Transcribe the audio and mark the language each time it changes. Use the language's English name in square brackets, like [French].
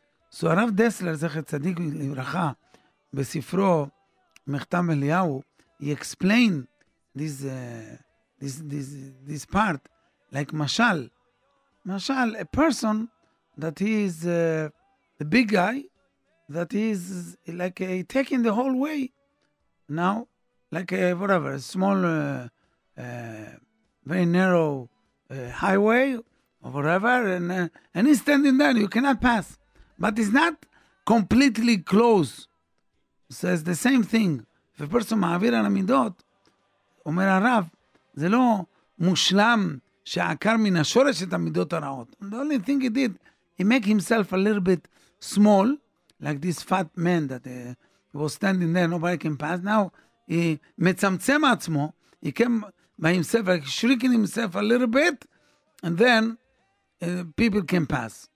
[English] So Rav Dessler, Zechet Tzadik Livracha, Besifro Mechtam Eliyahu, he explained this part, like Mashal, a person that he is the big guy, that he is like taking the whole way now, like whatever, a small, very narrow highway or whatever, and he's standing there, you cannot pass. But it's not completely closed. So it's the same thing. If a person [Hebrew] ma'avir al amidot, אומר הרב, זה לא מושלם שעקר מן השורש את המידות הרעות. [English] The only thing he did, he make himself a little bit small, like this fat man that was standing there, nobody can pass. Now, he [Hebrew] מצמצם עצמו, [English] he came by himself, like shrieking himself a little bit, and then people can pass.